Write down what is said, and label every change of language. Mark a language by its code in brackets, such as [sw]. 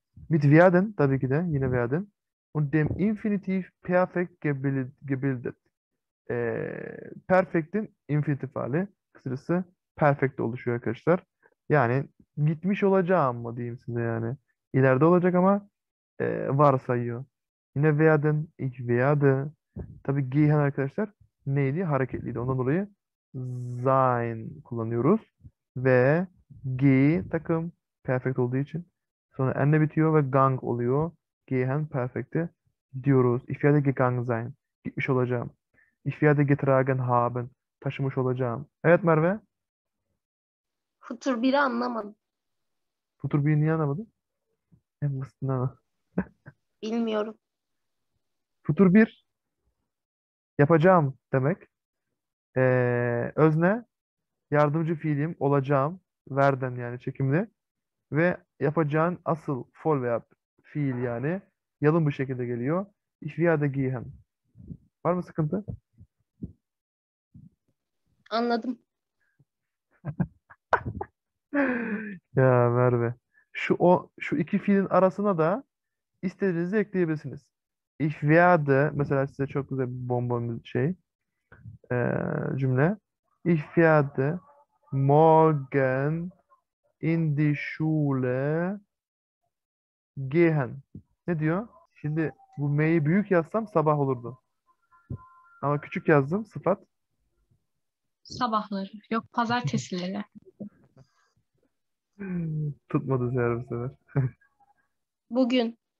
[de] Mit werden [tr] tabii ki de yine [de] werden. Und dem Infinitiv Perfekt gebildet. [tr] Perfect'in infinitif hali. Kısırısı perfect oluşuyor arkadaşlar. Yani gitmiş olacağım mı diyeyim size yani. İleride olacak ama varsayıyor. Yine werden. [de] Ich werde. [tr] Tabii gehen arkadaşlar neydi? Hareketliydi. Ondan dolayı sein kullanıyoruz. Ve G takım perfect olduğu için. Sonra N'le bitiyor ve gang oluyor. Gehen perfect'i diyoruz. [de] Ich werde gegangen sein. [tr] Gitmiş olacağım. [de] Ich werde getragen haben. [tr] Taşımış olacağım. Evet Merve. Futur 1'i anlamadım. Futur bir niye anlamadın? En basitinden. Bilmiyorum. Futur bir yapacağım demek. Özne yardımcı fiilim olacağım verden yani çekimli ve yapacağın asıl fol veya fiil yani yalın bir şekilde geliyor. [de] Ich werde gehen. [tr] Var mı sıkıntı? Anladım. Ya Merve. Şu iki fiilin arasına da istediğinizi ekleyebilirsiniz. [de] Ich werde [tr] mesela size çok güzel bir bonbon bir şey cümle. [de] Ich werde morgen in die Schule gehen. [tr] Ne diyor? Şimdi bu M'yi büyük yazsam sabah olurdu. Ama küçük yazdım sıfat. Sabahları. Yok pazartesileri. Tutmadı Zehra bu sefer. Bugün.